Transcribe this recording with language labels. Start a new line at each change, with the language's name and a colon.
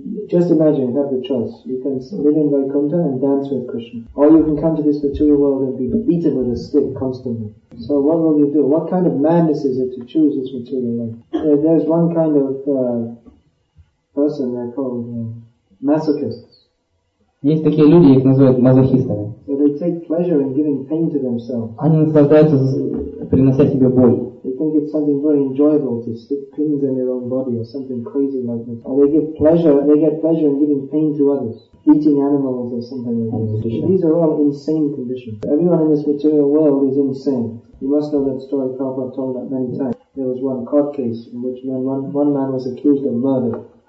English: Just imagine, you have the choice. You can live in Vaikuntha and dance with Krishna. Or you can come to this material world and be beaten with a stick constantly. So what will you do? What kind of madness is it to choose this material world? There's one kind of person they're called masochists.
Russian: Есть такие люди, их называют мазохистами.
English: So they take pleasure in giving pain to themselves.
Russian: Они наслаждаются, принося себе боль.
English: They think it's something very enjoyable to stick pins in their own body or something crazy like that. Or they get pleasure in giving pain to others, eating animals or something like that. So these are all insane conditions. Everyone in this material world is insane. You must know that story. Prabhupada told that many times. There was one court case in which one man was accused of murder.